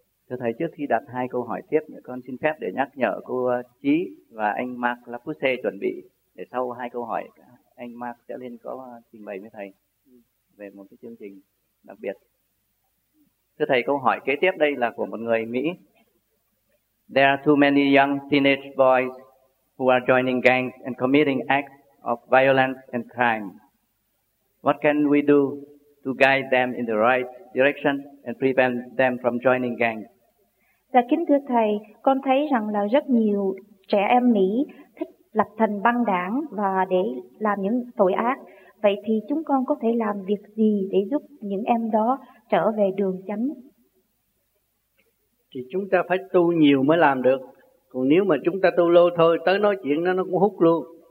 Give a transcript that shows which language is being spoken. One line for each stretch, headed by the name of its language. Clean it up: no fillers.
Vietnamese: Thưa thầy, trước khi đặt hai câu hỏi tiếp, con xin phép để nhắc nhở cô Chí và anh Mark Lapuse chuẩn bị để sau hai câu hỏi anh Mark sẽ lên có trình bày với thầy về một cái chương trình đặc biệt. Thưa thầy, câu hỏi kế tiếp đây là của một người Mỹ.
English: There are too many young teenage boys who are joining gangs and committing acts of violence and crime. What can we do to guide them in the right direction and prevent them from joining gangs?
Vietnamese: Dạ kính thưa thầy, con thấy rằng là rất nhiều trẻ em Mỹ thích lập thành băng đảng và để làm những tội ác. Vậy thì chúng con có thể làm việc gì để giúp những em đó trở về đường chánh? Thì chúng ta phải tu nhiều mới làm được. Còn nếu mà chúng ta tu lâu thôi, tới nói chuyện nó cũng hút luôn.